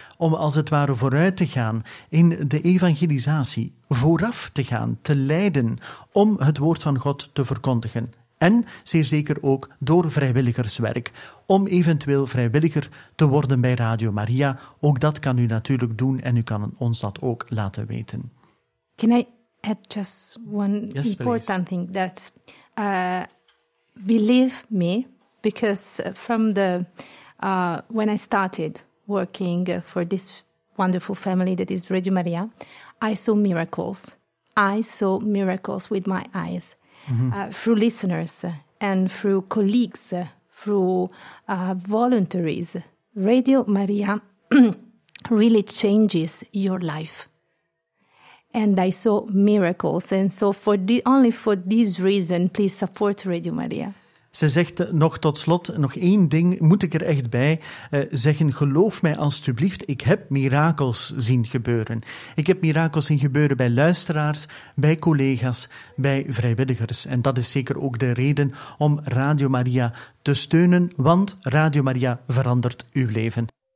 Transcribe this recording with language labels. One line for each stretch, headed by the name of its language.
Dutch: Om als het ware vooruit te gaan in de evangelisatie, vooraf te gaan, te leiden, om het woord van God te verkondigen. En zeer zeker ook door vrijwilligerswerk, om eventueel vrijwilliger te worden bij Radio Maria. Ook dat kan u natuurlijk doen en u kan ons dat ook laten weten.
English: Can I add just one important please. Thing? That believe me, because from the when I started working for this wonderful family that is Radio Maria, I saw miracles. I saw miracles with my eyes, mm-hmm. Through listeners and through colleagues, through voluntaries. Radio Maria really changes your life. And I saw miracles. And so for this reason, please support Radio Maria.
Dutch: Ze zegt nog tot slot, nog één ding moet ik er echt bij zeggen. Geloof mij alstublieft, ik heb mirakels zien gebeuren. Ik heb mirakels zien gebeuren bij luisteraars, bij collega's, bij vrijwilligers. En dat is zeker ook de reden om Radio Maria te steunen, want Radio Maria verandert uw leven.